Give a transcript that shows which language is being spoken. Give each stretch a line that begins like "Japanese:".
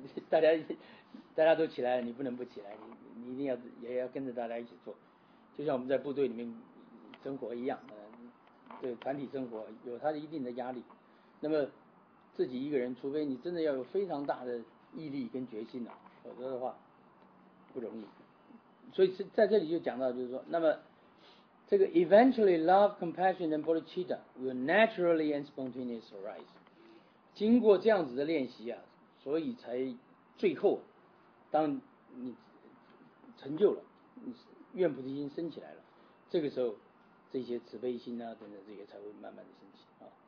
Chinese: 大家都起来了，你不能不起来，你一定要也要跟着大家一起做，就像我们在部队里面生活一样，对，团体生活有它一定的压力，那么自己一个人，除非你真的要有非常大的毅力跟决心了、啊，否则的话不容易，所以在这里就讲到，就是说，那么。这个
English: eventually love, compassion and bodhicitta will naturally and spontaneously arise.
Chinese: 经过这样子的练习啊，所以才最后当你成就了，你愿菩提心升起来了，这个时候这些慈悲心啊等等这些才会慢慢的升起啊。